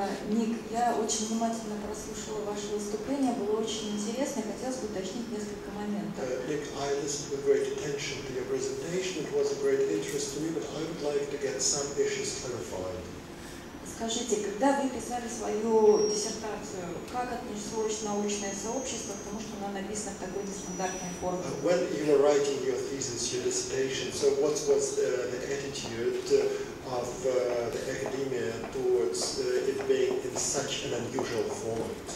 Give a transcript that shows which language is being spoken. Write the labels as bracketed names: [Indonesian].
[Russian] Ник, я очень внимательно прослушала ваше выступление, было очень интересно, и хотелось бы уточнить несколько моментов. [English] Ник, I listened with great attention to your presentation. It was a great interest to me, but I would like to get some issues clarified. [Russian] Скажите, когда вы писали свою диссертацию, как отнеслось научное сообщество к тому, что она написана в такой нестандартной форме? [English] When you were writing your thesis, your dissertation, so what was the attitude of the academia towards it being in such an unusual format?